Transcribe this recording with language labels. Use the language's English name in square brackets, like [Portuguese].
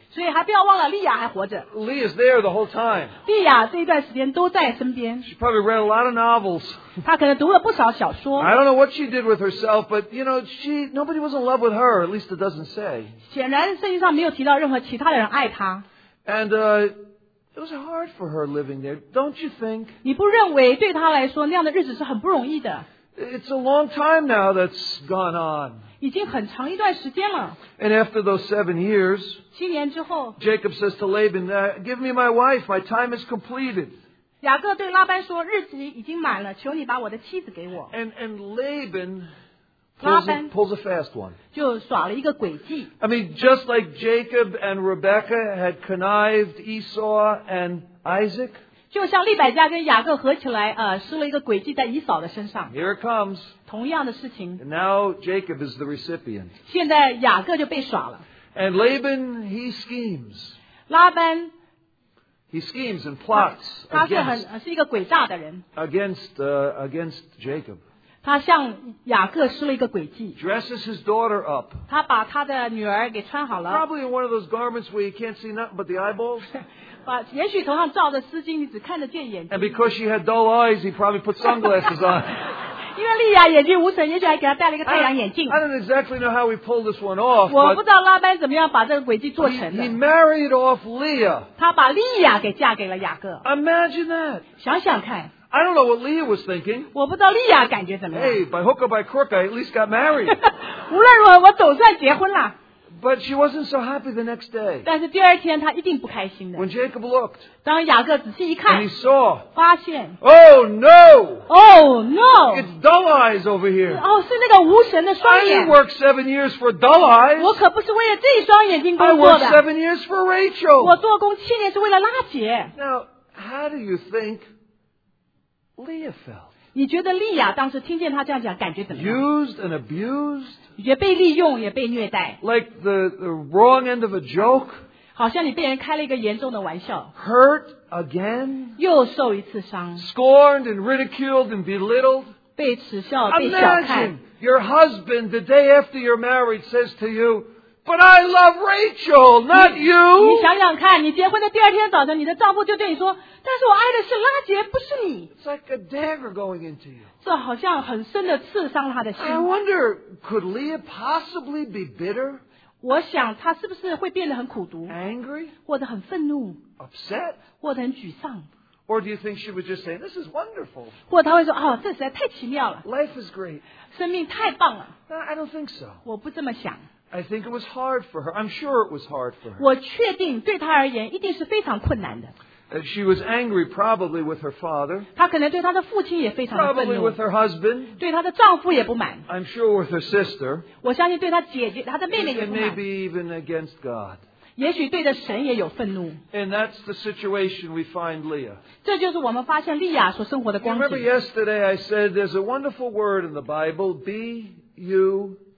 [Chinese] 所以还不要忘了莉亚还活着。 [English] Leah's there the whole time. [Chinese] 莉亚这一段时间都在身边。 [English] She probably read a lot of novels. [Chinese] 她可能读了不少小说。 [English] I don't know what she did with herself, but you know, nobody was in love with her, at least it doesn't say. [Chinese] 显然圣经上没有提到任何其他的人爱她。 [English] And it was hard for her living there, don't you think? [Chinese] 你不认为对她来说那样的日子是很不容易的。 [English] It's a long time now that's gone on. [Chinese] 已经很长一段时间了。 [English] And after those 7 years, [Chinese] 七年之后, [English] Jacob says to Laban, give me my wife, my time is completed. [Chinese] 雅各对拉班说, 日子已经满了, 求你把我的妻子给我。 [English] And Laban pulls a fast one. [Chinese] 就耍了一个诡计。 [English] I mean, just like Jacob and Rebecca had connived Esau and Isaac, [Chinese] 就像利百加跟雅各合起来, 施了一个诡计在以扫的身上。 [English] Here it comes. [Chinese] 同样的事情, [English] and now Jacob is the recipient. [Chinese] 现在雅各就被耍了。 [English] And Laban, he schemes. [Chinese] 拉班, [English] he schemes and plots [Chinese] 他是很, [English] against, [Chinese] 是一个诡诈的人, [English] against Jacob. [Chinese] 他向雅各施了一个诡计。 [English] Dresses his daughter up. [Chinese] 他把他的女儿给穿好了。 [English] Probably in one of those garments where you can't see nothing but the eyeballs. [Chinese] 也许头上罩着丝巾, 你只看得见眼睛。 [English] And because she had dull eyes, he probably put sunglasses on. [Chinese] 因为莉亚眼睛无神, 也许还给她戴了一个太阳眼镜。 [English] I don't exactly know how he pulled this one off. [Chinese] 我不知道拉班怎么样把这个诡计做成的。 [English] He married off Leah. [Chinese] 他把莉亚给嫁给了雅各。 [English] Imagine that. [Chinese] 想想看。 [English] I don't know what Leah was thinking. [Chinese] 我不知道莉亚感觉怎么样。 [English] Hey, by hook or by crook, I at least got married. [Chinese] 无论如何, 我总算结婚了。 [English] But she wasn't so happy the next day. [Chinese] 但是第二天她一定不开心的。 [English] When Jacob looked, [Chinese] 当雅各仔细一看, [English] and he saw, [Chinese] 发现, [English] oh no! Oh no! It's dull eyes over here. [Chinese] 是那个无神的双眼。 [English] I didn't work 7 years for dull eyes. [Chinese] 我可不是为了这双眼睛工作的。 [English] I worked 7 years for Rachel. [Chinese] 我做工七年是为了拉结。 [English] Now, how do you think Leah felt? [Chinese] 你觉得莉亚当时听见他这样讲感觉怎么样? [English] Used and abused? [Chinese] 你觉得被利用也被虐待? [English] Like the wrong end of a joke? [Chinese] 好像你被人开了一个严重的玩笑。 [English] Hurt again? [Chinese] 又受一次伤。 [English] Scorned and ridiculed and belittled? [Chinese] 被耻笑被小看。 [English] Imagine your husband the day after you're married says to you, but I love Rachel, not you. [Chinese] 你想想看，你结婚的第二天早晨，你的丈夫就对你说：“但是我爱的是拉结，不是你。” [English] It's like a dagger going into you. [Chinese] 这好像很深的刺伤了他的心。 [English] I wonder, could Leah possibly be bitter? [Chinese] 我想她是不是会变得很苦毒 [English] ？Angry? [Chinese] 或者很愤怒 [English] ？Upset? [Chinese] 或者很沮丧 [English] ？Or do you think she would just say, "This is wonderful"? [Chinese] 或她会说：“哦，这实在太奇妙了。” [English] Life is great. [Chinese] 生命太棒了。 [English] I don't think so. [Chinese] 我不这么想。 [English] I think it was hard for her. I'm sure it was hard for her. [Chinese] 我确定对她而言一定是非常困难的。 [English] She was angry probably with her father. [Chinese] 她可能对她的父亲也非常的愤怒。 [English] Probably with her husband. [Chinese] 对她的丈夫也不满。 [English] I'm sure with her sister. [Chinese] 我相信对她姐姐,她的妹妹也不满。 [English] And maybe even against God. [Chinese] 也许对着神也有愤怒。 [English] And that's the situation we find Leah. [Chinese] 这就是我们发现莉亚所生活的光景。 [English] Remember yesterday I said there's a wonderful word in the Bible, be you.